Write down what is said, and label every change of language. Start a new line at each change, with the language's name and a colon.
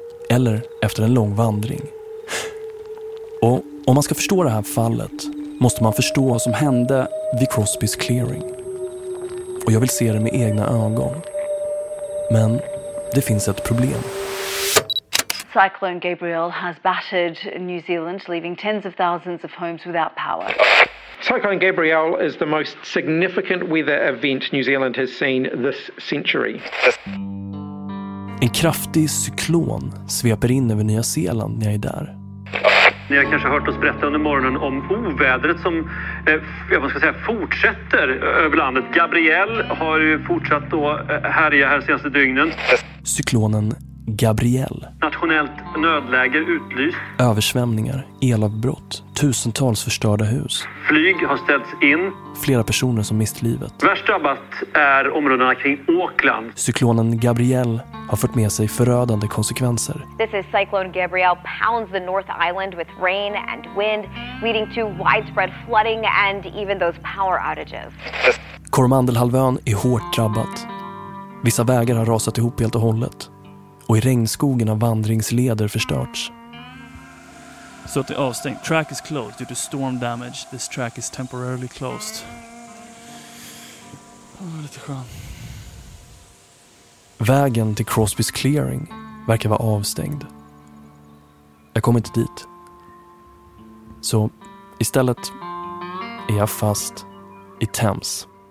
Swedish: Eller efter en lång vandring. Och om man ska förstå det här fallet måste man förstå vad som hände vid Crosby's Clearing. Och jag vill se det med egna ögon. Men det finns ett problem.
English: Cyclone Gabrielle has battered New Zealand, leaving tens of thousands of homes without power. Cyclone Gabrielle is the most significant weather event New Zealand has seen this century.
Swedish: En kraftig cyklon sveper in över Nya Zeeland när jag är där. Ni har kanske hört oss berätta under morgonen om ovädret som fortsätter över landet. Gabrielle har ju fortsatt då härja här senaste dygnen. Cyklonen Gabrielle. Nationellt nödläge utlyst. Översvämningar, elavbrott, tusentals förstörda hus. Flyg har ställts in. Flera personer som mist livet. Värst drabbat är områdena kring Auckland. Cyklonen Gabrielle har fört med sig förödande konsekvenser.
English: This is Cyclone Gabrielle pounds the North Island with rain and wind, leading to widespread flooding and even those power outages.
Swedish: Koromandelhalvön är hårt drabbat. Vissa vägar har rasat ihop helt och hållet. Och i regnskogen har vandringsleder förstörts. Så att det är avstängt.
English: Track is closed due to storm damage. This track is temporarily closed.
Swedish: Oh, lite skön. Vägen till Crosby's Clearing verkar vara avstängd. Jag kommer inte dit. Så istället är jag fast i Thames.